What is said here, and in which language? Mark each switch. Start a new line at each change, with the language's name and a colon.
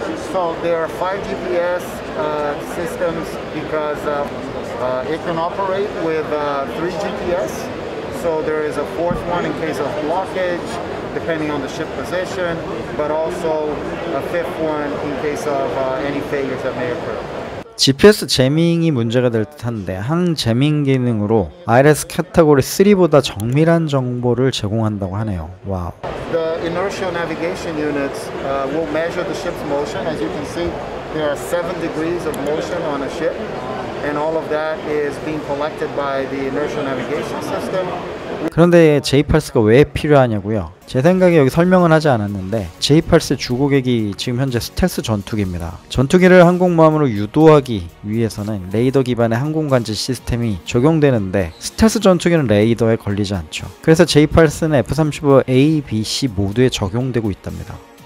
English: So there are five GPS systems because it can operate with three GPS. So there is a fourth one in case of blockage, depending on the ship position, but also a fifth one in case of any failures that may occur.
Korean: GPS 재밍이 문제가 될 듯한데 항재밍 기능으로 ILS 카테고리 3보다 정밀한 정보를 제공한다고 하네요. 와우.
English: The inertial navigation units will measure the ship's motion. As you can see, there are 7 degrees of motion on a ship, and all of that is being collected by the inertial navigation system.
Korean: 그런데 J-PULSE가 왜 필요하냐고요? 제 생각에 여기 설명은 하지 않았는데 J-PULSE 주고객이 지금 현재 스텔스 전투기입니다. 전투기를 항공모함으로 유도하기 위해서는 레이더 기반의 항공관제 시스템이 적용되는데 스텔스 전투기는 레이더에 걸리지 않죠. 그래서 J-PULSE는 F-35 A, B, C 모두에 적용되고 있답니다.